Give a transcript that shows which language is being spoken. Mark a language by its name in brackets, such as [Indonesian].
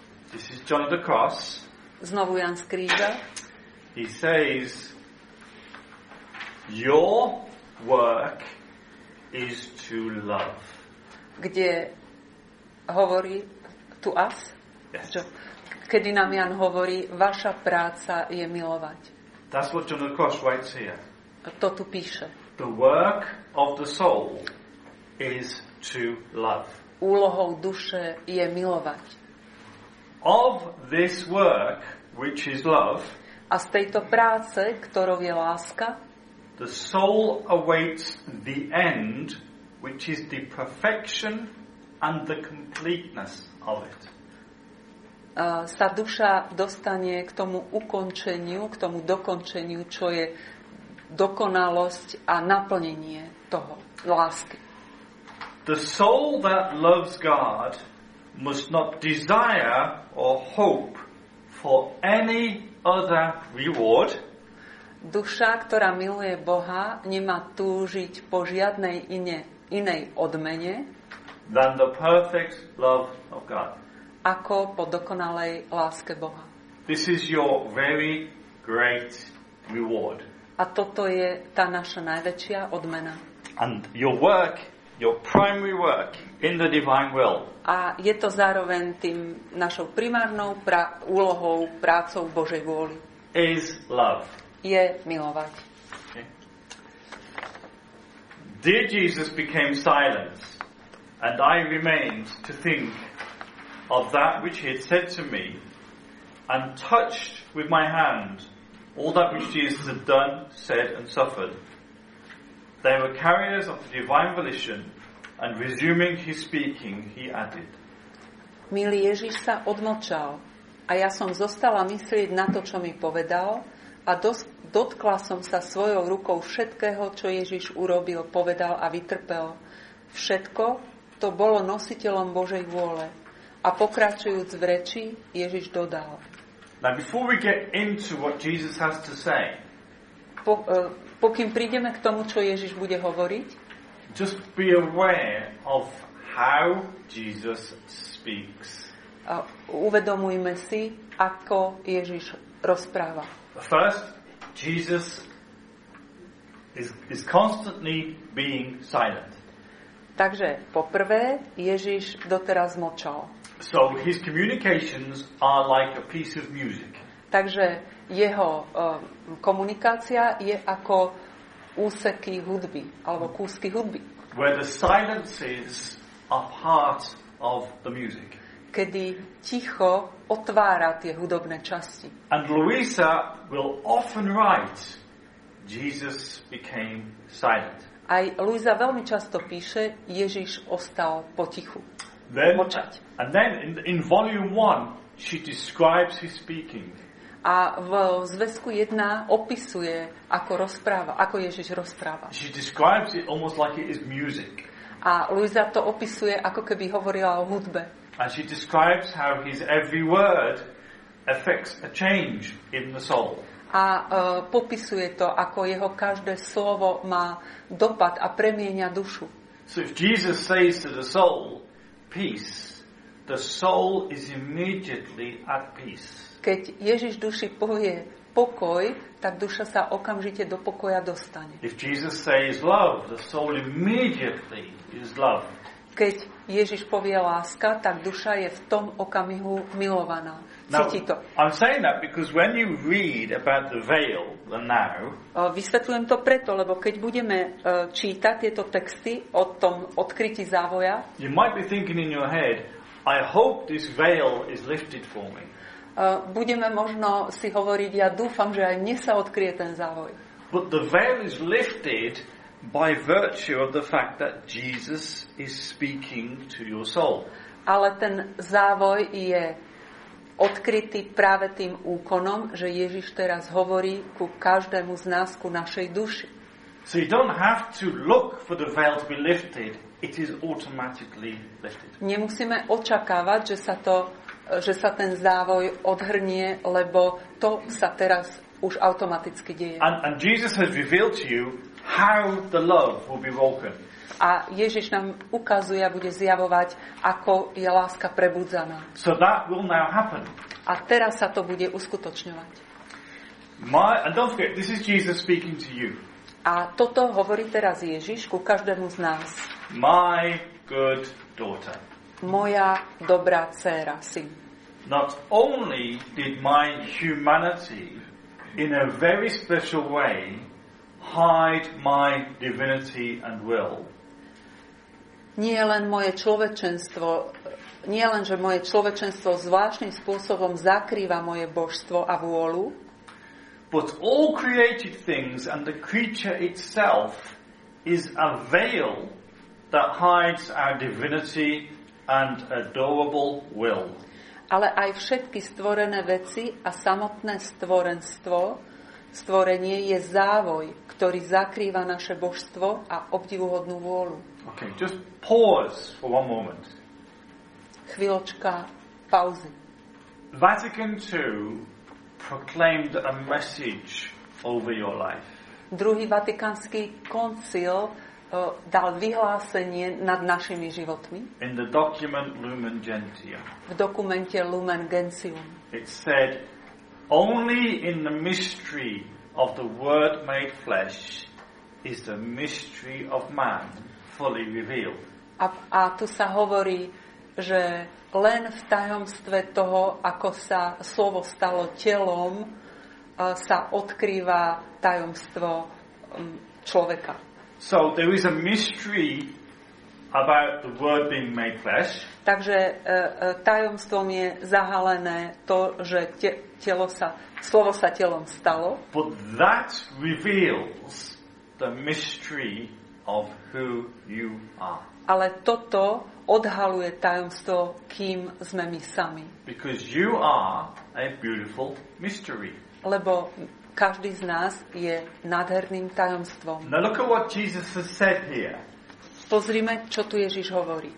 [English] This is John of the Cross. [Slovak] Znovu Jan z kríža. [English] He says, your work is to love. [Slovak] Kde hovorí [English] to us? Yes. [Slovak] Čo? Kedy nám Jan hovorí, vaša práca je milovať. [English] That's what John of the Cross writes here. [Slovak] To tu píše. [English] The work of the soul is to love. [Slovak] Úlohou duše je milovať. [English] Of this work, which is love, [Slovak] a z tejto práce, ktorou je láska, [English] the soul awaits the end, which is the perfection and the completeness of it. [Slovak] Sa duša dostane k tomu ukončeniu, k tomu dokončeniu, čo je dokonalosť a naplnenie toho lásky. [English] The soul that loves God must not desire or hope for any other reward. [Slovak] Duša, ktorá miluje Boha, nemá túžiť po žiadnej inej odmene [English] than the perfect love of God. [Slovak] Ako po dokonalej láske Boha. [English] This is your very great reward. [Slovak] A toto je tá naša najväčšia odmena. [English] And your work, your primary work in the divine will. [Slovak] A je to zároveň tým našou primárnou úlohou, prácou Božej vôli. [English] Is love. [Slovak] Je milovať. [English] Okay. Dear Jesus became silent, and I remained to think of that which he had said to me, and touched with my hand all that which Jesus had done, said, and suffered. They were carriers of the divine volition, and resuming his speaking, he added. [Slovak] Milý Ježiš sa odmlčal, a ja som zostala myslieť na to, čo mi povedal, a dotkla som sa svojou rukou všetkého, čo Ježiš urobil, povedal a vytrpel. Všetko to bolo nositeľom Božej vôle. A pokračujúc v reči, Ježiš dodal. [English] Now before we get into what Jesus has to say, [Slovak] pokým prídeme k tomu, čo Ježiš bude hovoriť, [English] just be aware of how Jesus speaks. [Slovak] Uvedomujme si, ako Ježiš rozpráva. [English] First, Jesus is constantly being silent. [Slovak] Takže poprvé, Ježiš doteraz mlčal. [English] So his communications are like a piece of music. [Slovak] Takže jeho komunikácia je ako úseky hudby alebo kúsky hudby. [English] Where the silences are part of the music. [Slovak] Kedy ticho otvára tie hudobné časti. [English] And Louisa will often write, Jesus became silent. [Slovak] Aj Louisa veľmi často píše, Ježiš ostal potichu. [English] Then, [Slovak] močať. [English] And then in volume 1 she describes his speaking. [Slovak] A v zväzku 1 opisuje, ako rozpráva, ako Ježiš rozpráva. [English] She describes it almost like it is music. [Slovak] A Louisa to opisuje, ako keby hovorila o hudbe. [English] And she describes how his every word affects a change in the soul. [Slovak] A popisuje to, ako jeho každé slovo má dopad a premienia dušu. [English] So if Jesus says to the soul, peace, the soul is immediately at peace. [Slovak] Keď Ježiš duši povie pokoj, tak duša sa okamžite do pokoja dostane. [English] If Jesus says love, the soul immediately is love. [Slovak] Keď Ježiš povie láska, tak duša je v tom okamihu milovaná. [English] Now, [Slovak] cíti to. [English] I'm saying that because when you read about the veil, the now, [Slovak] vysvetľujem to preto, lebo keď budeme čítať tieto texty o tom odkrytí závoja, [English] you might be thinking in your head, I hope this veil is lifted for me. [Slovak] Budeme možno si hovoriť, ja dúfam, že aj mne sa odkryje ten závoj. [English] But the veil is lifted by virtue of the fact that Jesus is speaking to your soul. [Slovak] Ale ten závoj je odkrytý práve tým úkonom, že Ježiš teraz hovorí ku každému z nás, ku našej duši. [English] So you don't have to look for the veil to be lifted. It is automatically lifted. [Slovak] Nemusíme očakávať, že sa ten závoj odhrnie, lebo to sa teraz už automaticky deje. [English] And Jesus has revealed to you how the love will be woken. [Slovak] A Ježiš nám ukazuje a bude zjavovať, ako je láska prebudzaná. [English] So that will now happen. [Slovak] A teraz sa to bude uskutočňovať. [English] And don't forget, this is Jesus speaking to you. [Slovak] A toto hovorí teraz Ježiš ku každému z nás. [English] My good daughter. [Slovak] Moja dobrá dcéra, syn. [English] Not only did my humanity in a very special way hide my divinity and will. [Slovak] Nie len moje človečenstvo, nie len že moje človečenstvo zvláštnym spôsobom zakrýva moje božstvo a vôľu. [English] But all created things and the creature itself is a veil that hides our divinity and adorable will. [Slovak] Ale aj všetky stvorené veci a samotné stvorenstvo, stvorenie je závoj, ktorý zakrýva naše božstvo a obdivuhodnú vôľu. [English] Okay, just pause for one moment. [Slovak] Chvíľočka pauzy. [English] Vatican II proclaimed a message over your life. [Slovak] Druhý vatikánsky koncil dal vyhlásenie nad našimi životmi. [English] In the document Lumen Gentium. [Slovak] V dokumente Lumen Gentium. [English] It said, only in the mystery of the Word made flesh is the mystery of man fully revealed. [Slovak] A tu sa hovorí, že len v tajomstve toho, ako sa slovo stalo telom, sa odkrýva tajomstvo človeka. [English] So there is a mystery about the word being made flesh. [Slovak] Takže tajomstvom je zahalené to, že slovo sa telom stalo. [English] But that reveals the mystery of who you are. [Slovak] Ale toto odhaluje tajomstvo, kým sme my sami. [English] Because you are a beautiful mystery. [Slovak] Lebo každý z nás je nádherným tajomstvom. [English] Now look at what Jesus has said here. [Slovak] Pozrime, čo tu Ježiš hovorí.